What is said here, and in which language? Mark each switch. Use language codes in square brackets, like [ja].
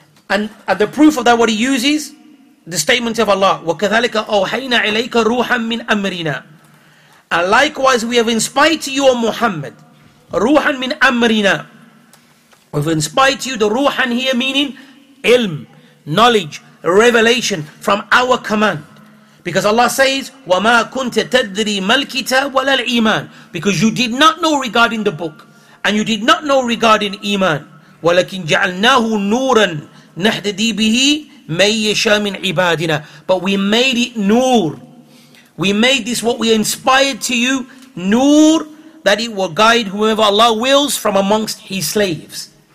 [en] And the proof of that, what he uses, the statement of Allah, [ar] وَكَذَلِكَ أَوْحَيْنَا عَلَيْكَ رُوحًا مِّنْ أَمْرِنَا. [en] And likewise, we have inspired to you, O Muhammad, [ar] رُوحًا مِّنْ أَمْرِنَا. [en] We've inspired to you the ruhan here, meaning ilm, knowledge, revelation from our command. Because Allah says, [ar] وَمَا كُنْتَ تَدْرِي مَا الْكِتَابُ وَلَا الْإِيمَانِ. [en] Because you did not know regarding the book, and you did not know regarding iman. [ar] وَلَكِنْ جَعَلْنَاهُ نُورًا نَحْدَدِي بِهِ مَنْ يَشَاءُ مِنْ عِبَادِنَا. [en] But we made it nur. We made this what we inspired to you, nur, that it will guide whoever Allah wills from amongst His slaves.